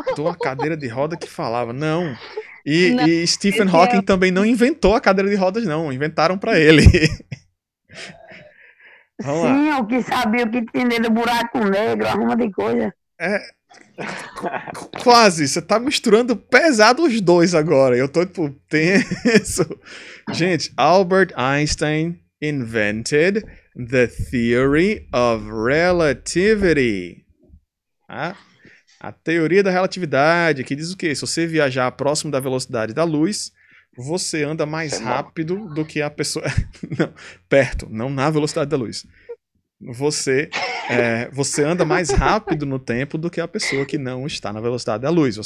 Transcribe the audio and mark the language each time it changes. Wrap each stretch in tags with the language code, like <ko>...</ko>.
<pt>Inventou a cadeira de roda que falava, não. E Stephen Hawking também não inventou a cadeira de rodas, não. Inventaram pra ele. Sim, o que sabia o que tinha dentro do buraco negro, arruma de coisa. É. Quase, você tá misturando pesado os dois agora. Eu tô, tipo, tenso. Gente,</pt> <en>Albert Einstein invented the theory of relativity.</en> <pt>A teoria da relatividade, que diz o quê? Se você viajar próximo da velocidade da luz, você anda mais rápido do que a pessoa... Não, perto, não na velocidade da luz. Você anda mais rápido no tempo do que a pessoa que não está na velocidade da luz.</pt>